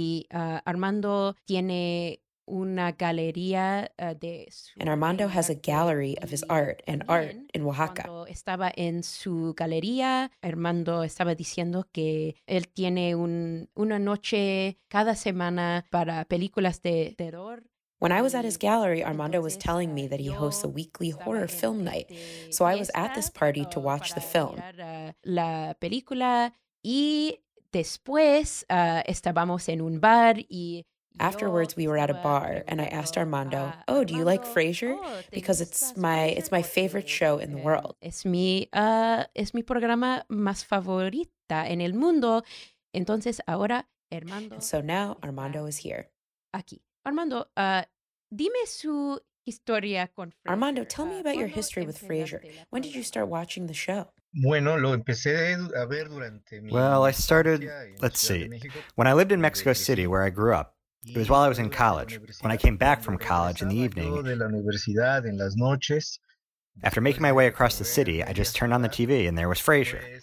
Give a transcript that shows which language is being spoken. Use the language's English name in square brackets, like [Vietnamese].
[Spanish] Armando tiene una galería de [English] And Armando has a gallery of his art and art in Oaxaca. [Spanish] Estaba en su galería, Armando estaba diciendo que él tiene una noche cada semana para películas de terror. [English] When I was at his gallery, Armando was telling me that he hosts a weekly horror film night. So I was at this party to watch the film. [Spanish] La película y después estábamos en un bar y [English] afterwards, we were at a bar, and I asked Armando, "Oh, do you like Frasier? Because it's my favorite show in the world." [Spanish] Es mi programa más favorita en el mundo. Entonces ahora, Armando. [English] And so now, Armando is here. [Spanish] Aquí, Armando. Dime su historia con Frasier. [English] Armando, tell me about your history with Frasier. When did you start watching the show? [Spanish] Bueno, lo empecé a ver durante mi [English] Well, I started, let's see, when I lived in Mexico City, where I grew up, it was while I was in college. When I came back from college in the evening, after making my way across the city, I just turned on the TV and there was Frasier.